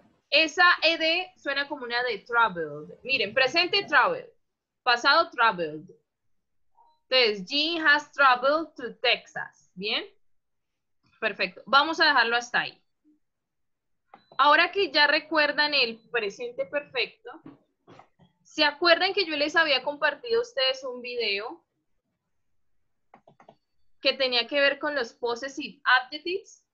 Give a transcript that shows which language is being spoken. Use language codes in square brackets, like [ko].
[es] Esa ED suena como una de traveled. Miren, presente travel. Pasado traveled. Entonces, [en] Jean has traveled to Texas. [es] ¿Bien? Perfecto. Vamos a dejarlo hasta ahí. Ahora que ya recuerdan el presente perfecto, ¿se acuerdan que yo les había compartido a ustedes un video que tenía que ver con los possessive adjectives?